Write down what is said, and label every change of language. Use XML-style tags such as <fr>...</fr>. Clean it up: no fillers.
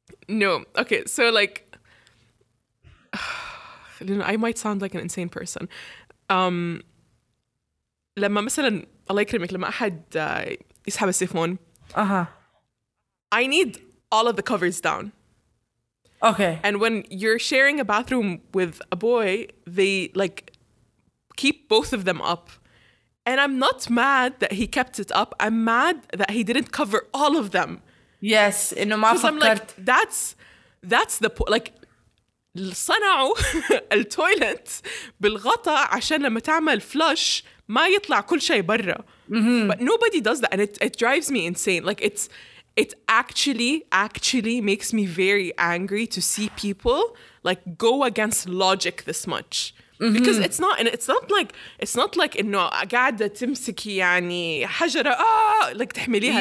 <en>Okay, so like I might sound like an insane person.</en> <ar>لما مثلا الله يكرمك لما أحد يسحب السيفون,</ar> <en>I need all of the covers down. Okay. And when you're sharing a bathroom with a boy, they like keep both of them up. And I'm not mad that he kept it up. I'm mad that he didn't cover all of them.</en> <ar>Yes. إنه ما فكرت.</ar> <en>I'm like, that's the point.</en> <ar>Like, صنعوا التويلت بالغطاء عشان لما تعمل فلاش ما يطلع كل شيء برا.</ar> <en>But nobody does that and it drives me insane. Like it actually makes me very angry to see people like go against logic this much. Because it's not like</en> <ar>إنه قاعدة تمسكي يعني حجرة like تحمليها.</ar>